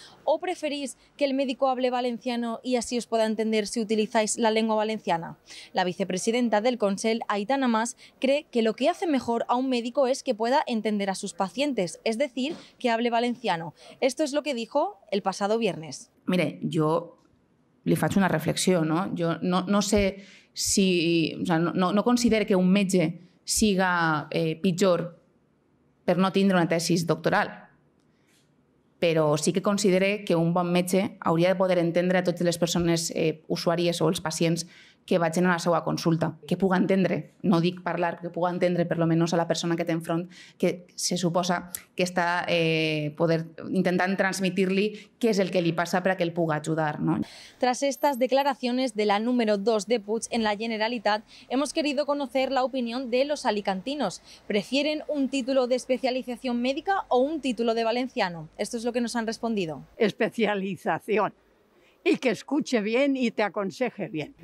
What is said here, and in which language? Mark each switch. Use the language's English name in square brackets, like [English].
[Spanish] ¿O preferís que el médico hable valenciano y así os pueda entender si utilizáis la lengua valenciana? La vicepresidenta del Consell, Aitana Mas, cree que lo que hace mejor a un médico es que pueda entender a sus pacientes, es decir, que hable valenciano. Esto es lo que dijo el pasado viernes. Mire, yo le faço una reflexión, ¿no? Yo no sé si... O sea, no considero que [Catalan] un metge siga pitjor per no tindre una tesis doctoral, però sí que considero que un bon metge hauria de poder entendre a totes les persones usuàries o els pacients que vagin a la seva consulta, que puga entendre, no dic parlar, que puga entendre per lo menos a la persona que té enfront, que se suposa que està intentant transmitir-li què és el que li passa perquè el puga ajudar. [Spanish] ¿No? Tras estas declaraciones de la número 2 de Puig en la Generalitat, hemos querido conocer la opinión de los alicantinos. ¿Prefieren un título de especialización médica o un título de valenciano? Esto es lo que nos han respondido. Especialización. Y que escuche bien y te aconseje bien.